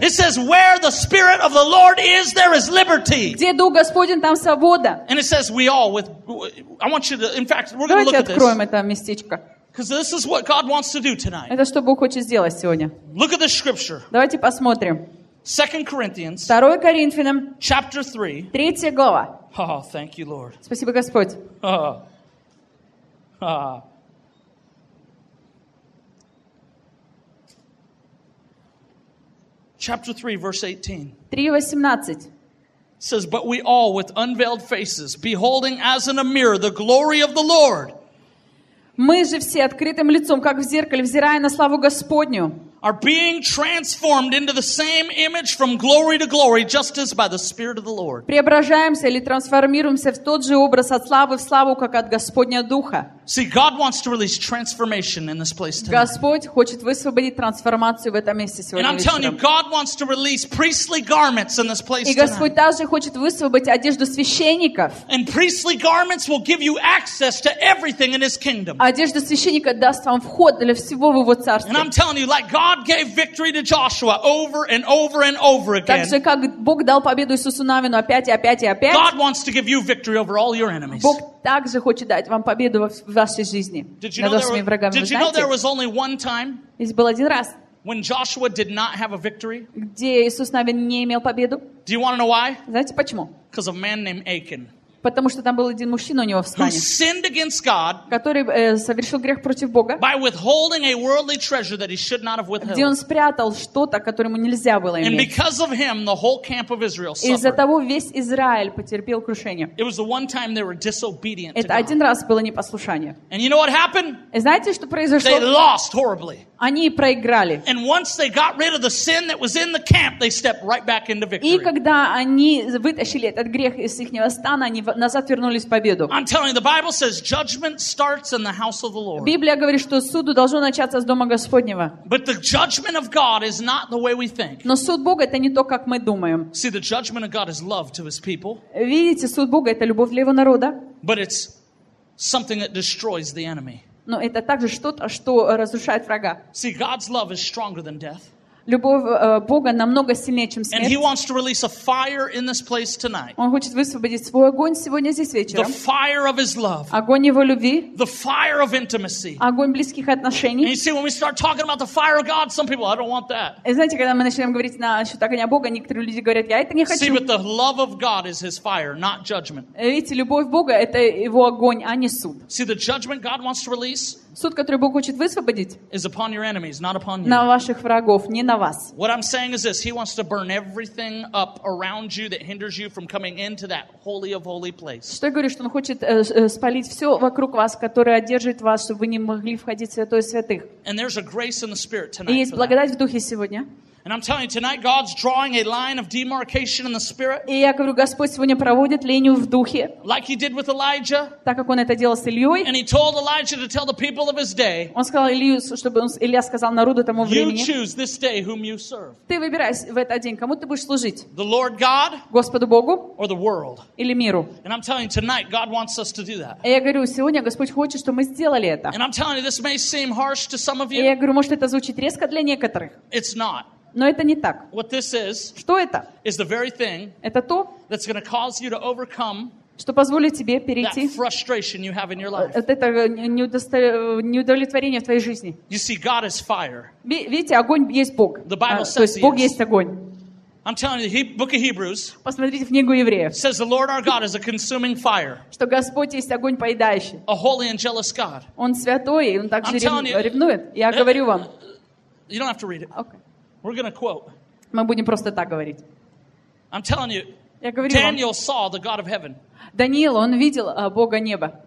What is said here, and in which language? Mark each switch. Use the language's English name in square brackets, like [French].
[English] It says, "Where the Spirit of the Lord is, there is liberty." [Russian] Где Дух Господень, там свобода. [English] And it says, "We all with." I want you to. In fact, we're going to look at this. [Russian] Давайте откроем это местечко. [English] Because this is what God wants to do tonight. [Russian] Это что Бог хочет сделать сегодня. [English] Look at this scripture. [Russian] Давайте посмотрим. [English] 2 Corinthians. [Russian] 2 Коринфянам. [English] Chapter 3. [Russian] Третья глава. [English] Oh, thank you, Lord. [Russian] Спасибо, Господь. [English] Chapter 3, verse 18. It says, But we all with unveiled faces, beholding as in a mirror the glory of the Lord. [Russian] Мы же все открытым лицом, как в зеркале, взирая на славу Господню. [English] Are being transformed into the same image from glory to glory, just as by the Spirit of the Lord. [Russian] Преображаемся или трансформируемся в тот же образ от славы в славу, как от Господня Духа. [English] See, God wants to release transformation in this place tonight. [Russian] Господь хочет высвободить трансформацию в этом месте сегодня вечером. [English] And I'm telling you, God wants to release priestly garments in this place tonight. [Russian] И Господь также хочет высвободить одежду священников. [English] And priestly garments will give you access to everything in His kingdom. [Russian] Одежда священника даст вам вход для всего в Его царстве. [English] And I'm telling you, like God gave victory to Joshua over and over and over again. [Russian] Так же, как Бог дал победу Иисусу Навину опять и опять и опять. [English] God wants to give you victory over all your enemies. [Russian] Бог также хочет дать вам победу в вашей жизни над вашими врагами. [English] Did you know there was only one time? [Russian] Здесь был один раз. [English] When Joshua did not have a victory? [Russian] Где Иисус Навин не имел победу? [English] Do you want to know why? [Russian] Знаете почему? [English] Because of a man named Achan. [Russian] Потому что там был один мужчина у него в стане, который совершил грех против Бога, где он спрятал что-то, которое ему нельзя было иметь. Из-за того весь Израиль потерпел крушение. Это один раз было непослушание. И знаете, что произошло? Они проиграли. [English] And once they got rid of the sin that was in the camp, they stepped right back into victory. [Russian] И когда они вытащили этот грех из ихнего стана, они назад вернулись в победу. [English] I'm telling you, the Bible says judgment starts in the house of the Lord. [Russian] Библия говорит, что суд должно начаться с дома Господнего. [English] But the judgment of God is not the way we think. [Russian] Но суд Бога это не то, как мы думаем. [English] See, the judgment of God is love to His people. [Russian] Видите, суд Бога это любовь для Его народа. [English] But it's something that destroys the enemy. [Russian] Но это также что-то, что разрушает врага. [English] See, God's love is stronger than death. [Russian] Любовь Бога намного сильнее, чем смерть. [English] And He wants to release a fire in this place tonight. [Russian] Он хочет высвободить свой огонь сегодня здесь вечером. [English] The fire of His love. [Russian] Огонь Его любви. [English] The fire of intimacy. [Russian] Огонь близких отношений. [English] And you see, when we start talking about the fire of God, some people, I don't want that. [Russian] И знаете, когда мы начинаем говорить насчет огня Бога, некоторые люди говорят, я это не хочу. [English] See, but the love of God is His fire, not judgment. [Russian] Видите, любовь Бога — это Его огонь, а не суд. [English] See, the judgment God wants to release. [Russian] Суд, который Бог хочет высвободить, [English] is upon your enemies, not upon you. [Russian] На ваших врагов, не на вас. [English] What I'm saying is this: He wants to burn everything up around you that hinders you from coming into that holy of holy place. [Russian] Что я говорю, что он хочет спалить все вокруг вас, которое одержит вас, чтобы вы не могли входить в святое святых. [English] And there's a grace in the spirit tonight. [Russian] И есть благодать в духе сегодня. [English] And I'm telling you, tonight God's drawing a line of demarcation in the spirit. [Russian] И я говорю, Господь сегодня проводит линию в духе. [English] Like He did with Elijah. [Russian] Так как Он это делал с Ильей. [English] And He told Elijah to tell the people of His day. [Russian] Он сказал Илью, чтобы Илья сказал народу тому времени. [English] You choose this day whom you serve. [Russian] Ты выбирай в этот день, кому ты будешь служить. [English] The Lord God. [Russian] Господу Богу. [English] Or the world. [Russian] Или миру. [English] And I'm telling you, tonight God wants us to do that. [Russian] И я говорю, сегодня Господь хочет, чтобы мы сделали это. [English] And I'm telling you, this may seem harsh to some of you. [Russian] И я говорю, может это звучит резко для некоторых. [English] It's not. [Russian] Но это не так. [English] What this is, [Russian] что это? [English] Is the very thing, [Russian] это то, [English] that's going to cause you to overcome, [Russian] что позволит тебе перейти [English] that frustration you have in your life. [Russian] Вот это неудовлетворение в твоей жизни. [English] You see, God is fire. [Russian] Видите, огонь есть Бог. [English] The Bible says [Russian] то есть Бог есть огонь. [English] I'm telling you, the book of Hebrews. [Russian] Посмотрите в книгу Евреев. [English] Says the Lord our God is a consuming fire. [Russian] Что Господь есть огонь поедающий. [English] A holy and jealous God. [Russian] Он святой, он так же ревнует. Я говорю вам. [English] You don't have to read it. Okay. We're going to quote. [Russian] Мы будем просто так говорить. [English] I'm telling you. [Russian] Я говорю вам. [English] Daniel saw the God of heaven. [Russian] Даниил, он видел Бога неба.